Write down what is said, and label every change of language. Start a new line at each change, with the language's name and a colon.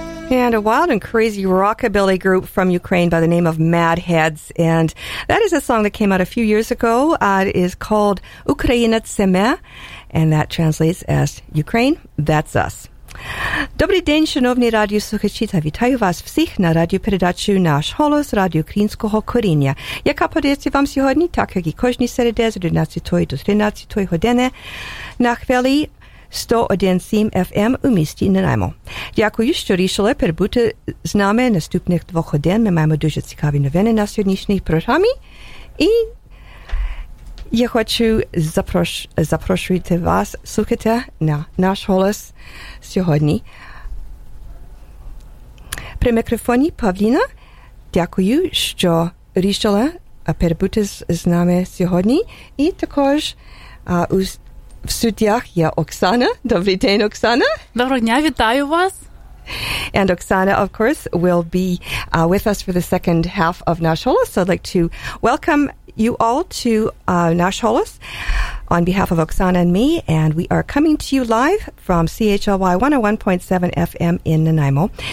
English: and a wild and crazy rockabilly group from Ukraine by the name of Mad Heads. And that is a song that came out a few years ago. It is called Ukraina Tseme, and that translates as Ukraine, that's us.
Ukrainian: Добрий день, шановні радіослухачі, та вітаю вас всіх на радіопередачі «Наш голос» Радіо Українського коріння, яка подається вам сьогодні, так як і кожні середи з 11 до 13 години на хвилі 101.7 FM у місті Нанаймо. Дякую, що рішили перебути з нами наступних 2 годин. Ми маємо дуже цікаві новини на сьогоднішній програмі. І Я хочу запрошувати вас слухати на наш голос сьогодні. При мікрофоні Павліна, дякую, що рішила перебути з нами сьогодні. І також в студіях є Оксана. Добрий день, Оксана. Доброго дня, вітаю вас.
English: And Oksana, of course, will be with us for the second half of Nash Holos. So I'd like to welcome you all to Nash Holos on behalf of Oksana and me. And we are coming to you live from CHLY 101.7 FM in Nanaimo.